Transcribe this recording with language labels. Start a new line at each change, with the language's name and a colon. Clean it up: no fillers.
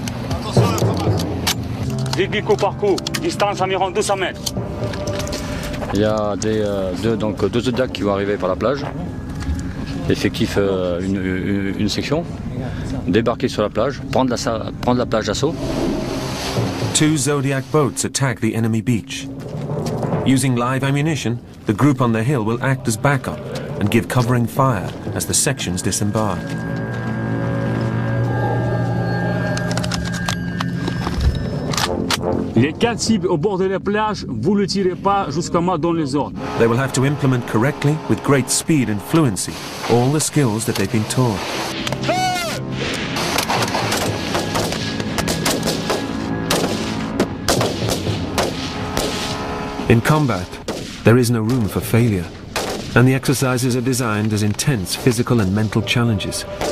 French: Attention à la famas. Vite, coup par coup, distance environ 200 mètres. Il y a des, deux Zodiacs qui vont arriver par la plage. Effectif une section, débarquer sur la plage, prendre la plage d'assaut.
English: Two Zodiac boats attack the enemy beach. Using live ammunition, the group on the hill will act as backup and give covering fire as the sections disembark.
French: Les quatre cibles au bord de la plage, vous ne tirez pas jusqu'à moi dans les ordres.
English: They will have to implement correctly with great speed and fluency all the skills that they've been taught. In combat, there is no room for failure, and the exercises are designed as intense physical and mental challenges.